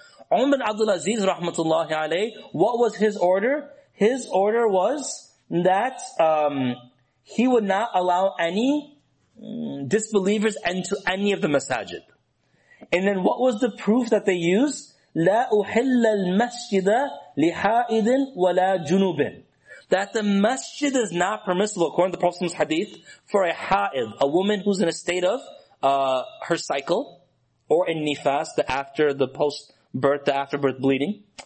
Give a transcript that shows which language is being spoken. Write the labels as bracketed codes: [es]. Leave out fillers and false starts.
[en] Umar bin Abdul Aziz, rahmatullahi alayhi, what was his order? His order was that he would not allow any disbelievers into any of the masajid. And then what was the proof that they used? [ar] لا أحل المسجد لحائد ولا جنوب. [en] That the masjid is not permissible, according to the Prophet's hadith, for a ha'id, a woman who's in a state of her cycle, or in nifas, the after the post-birth, the afterbirth bleeding.